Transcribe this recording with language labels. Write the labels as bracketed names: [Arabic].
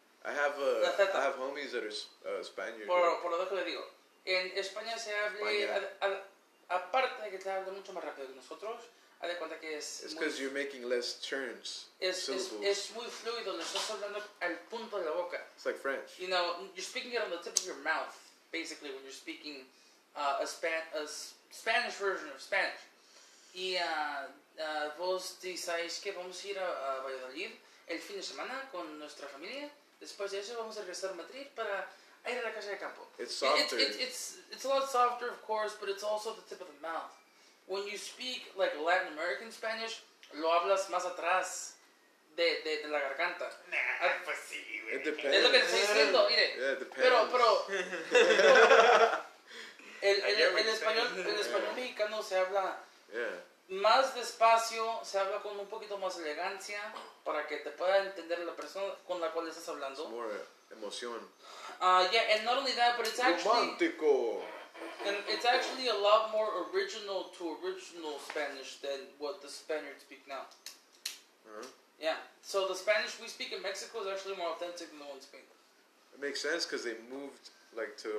[English] I have homies that are Spaniards. [Spanish] Por lo que le digo. En España se habla, aparte de que se habla mucho más rápido que nosotros, haz de cuenta que es... [English] It's because you're making less turns. [Spanish] Es muy fluido, le estás hablando al punto de la boca. [English] It's like French. You know, you're speaking it on the tip of your mouth, basically, when you're speaking a Spanish version of Spanish. [Spanish] Y vos decís que vamos a ir a Valladolid el fin de semana con nuestra familia. Después de eso vamos a regresar a Madrid para... [English] It's softer. It's a lot softer, of course, but it's also the tip of the mouth. When you speak like Latin American Spanish, [Spanish] lo hablas más atrás de la garganta. Nah, pues sí, güey. [English] It depends. [Spanish] Es lo que te estoy diciendo, mire. [English] Yeah, it depends. [Spanish] Pero el español mexicano se habla más despacio, se habla con un poquito más elegancia para que te pueda entender la persona con la cual estás hablando. [English] It's more emoción. And not only that, but it's actually [Spanish] romántico. [English] And it's actually a lot more original to original Spanish than what the Spaniards speak now. Uh-huh. Yeah. So the Spanish we speak in Mexico is actually more authentic than the one in Spain. It makes sense because they moved like to.